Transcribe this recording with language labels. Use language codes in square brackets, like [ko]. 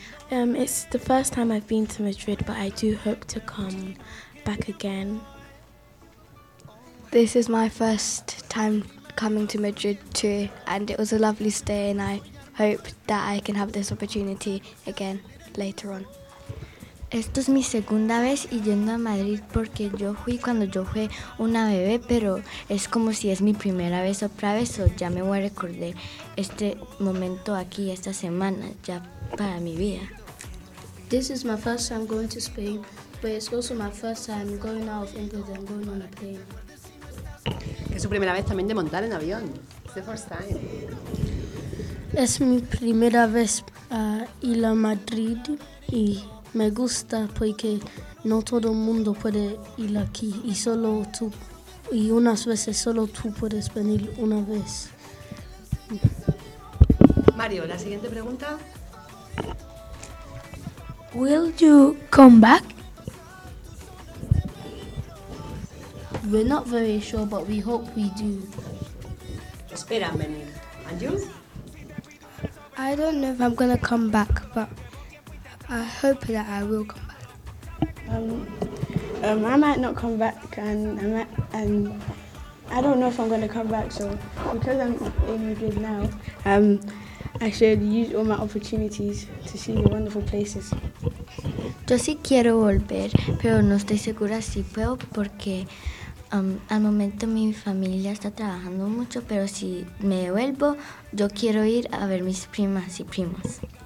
[en] It's the first time I've been to Madrid, but I do hope to come back again. This is my first time coming to Madrid too, and it was a lovely stay, and I hope that I can have this opportunity again later on. [es] Esto es mi segunda vez yendo a Madrid porque yo fui cuando yo fui una bebé, pero es como si es mi primera vez otra vez, o ya me voy a recordar este momento aquí, esta semana, ya para mi vida. [en] This is my first time going to Spain, but it's also my first time going out of England and going on a plane. [es] Es su primera vez también de montar en avión. [en] It's the first time. [es] Es mi primera vez ir a Madrid y... Me gusta porque no todo el mundo puede ir aquí y solo tú, y unas veces solo tú puedes venir una vez. Mario, la siguiente pregunta. [en] Will you come back? We're not very sure, but we hope we do. [es] Espera, [en] Menil. And you? I don't know if I'm gonna come back, but I hope that I will come back. I might not come back, and I don't know if I'm going to come back. So because I'm in Madrid now, I should use all my opportunities to see the wonderful places. [es] Yo sí quiero volver, pero no estoy segura si puedo porque al momento mi familia está trabajando mucho. Pero si me vuelvo, yo quiero ir a ver mis primas y primos.